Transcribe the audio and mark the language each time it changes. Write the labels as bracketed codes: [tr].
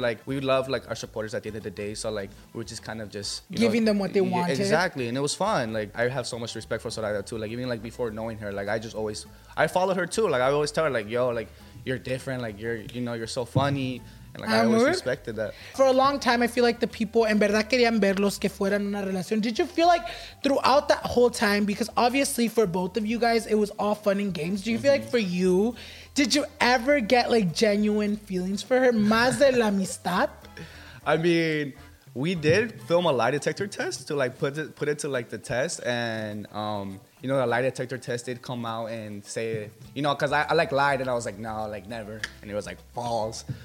[en] Like, we love, like, our supporters at the end of the day. So, like, we were just kind of just, you giving know, them what they wanted. Exactly. And it was fun. Like, I have so much respect for Zoraida too. Like, even like before knowing her, like, I just always, I followed her too. Like, I always tell her, like, yo, like, you're different. Like, you're, you know, you're so funny. And like, I always respected that. For a long time, I feel like the people, [es] en verdad querían verlos que fueran una relación. [en] Did you feel like throughout that whole time, because obviously for both of you guys, it was all fun and games. Do you feel like for you, did you ever get like genuine feelings for her? [es] Más de la amistad? [en] I mean, we did film a lie detector test to like put it to like the test, and you know, the lie detector test did come out and say, you know, because I like lied and I was like, no, like never, and it was like false.